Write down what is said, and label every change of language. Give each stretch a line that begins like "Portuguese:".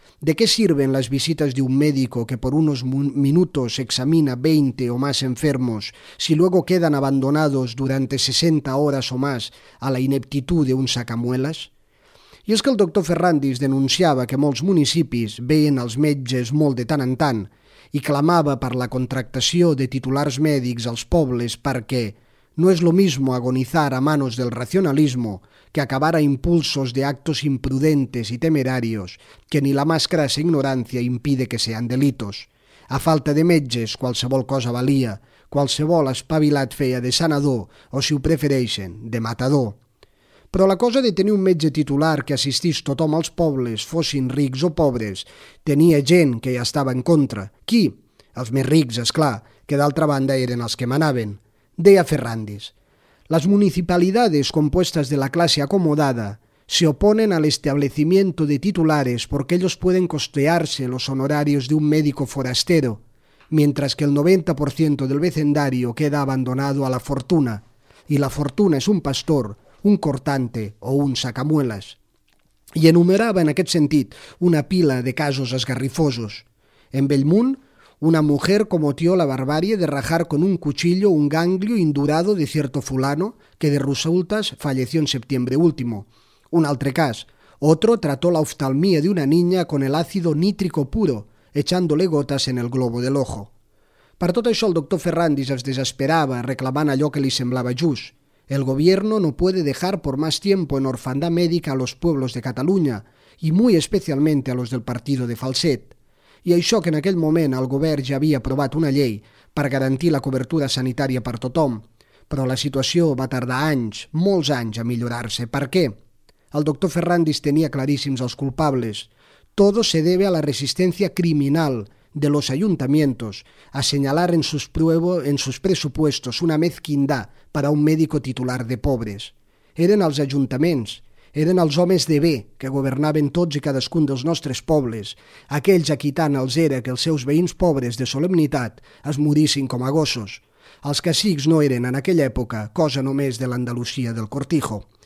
Spanish: ¿De qué sirven las visitas de un médico que por unos minutos examina 20 o más enfermos si luego quedan abandonados durante 60 horas o más a la ineptitud de un sacamuelas?
Catalan: I és que el doctor Ferrandis denunciava que molts municipis veien els metges molt de tant en tant i clamava per la contractació de titulars mèdics als pobles perquè
Spanish: no és lo mismo agonizar a manos del racionalismo que acabar a impulsos de actos imprudentes y temerarios que ni la más crassa ignorancia impide que sean delitos.
Catalan: A falta de metges, qualsevol cosa valia, qualsevol espavilat feia de sanador o, si ho prefereixen, de matador. Però la cosa de tenir un metge titular que assistís tothom als pobles, fossin rics o pobres, tenia gent que ja estava en contra. Qui? Els més rics, és clar, que d'altra banda eren els que manaven. Deia Ferrandis:
Spanish: las municipalidades compuestas de la clase acomodada se oponen al establecimiento de titulares porque ellos pueden costearse los honorarios de un médico forastero, mientras que el 90% del vecindario queda abandonado a la fortuna, y la fortuna es un pastor, un cortante o un sacamuelas.
Catalan: I enumerava en aquest sentit una pila de casos esgarrifosos.
Spanish: En Bellmunt, una mujer cometió la barbarie de rajar con un cuchillo un ganglio indurado de cierto fulano que de resultas falleció en septiembre último.
Catalan: Un altre cas.
Spanish: Otro trató la oftalmía de una niña con el ácido nítrico puro, echándole gotas en el globo del ojo.
Catalan: Per tot això, el doctor Ferrandis es desesperava reclamant allò que li semblava just.
Spanish: El gobierno no puede dejar por más tiempo en orfandad médica a los pueblos de Cataluña y muy especialmente a los del partido de Falset.
Catalan: I això que en aquell moment el govern ja havia aprovat una llei per garantir la cobertura sanitària per tothom. Però la situació va tardar anys, molts anys, a millorar-se. Per què? El doctor Ferrandis tenia claríssims els culpables.
Spanish: Todo se debe a la resistencia criminal de los ayuntamientos a señalar en sus presupuestos una mezquindad para un médico titular de pobres.
Catalan: Eren els ajuntaments, eren els homes de bé que governaven tots i cadascun dels nostres pobles, aquells a qui tant els era que els seus veïns pobres de solemnitat es morissin com a gossos. Els cacics no eren, en aquella època, cosa només de l'Andalusia del Cortijo.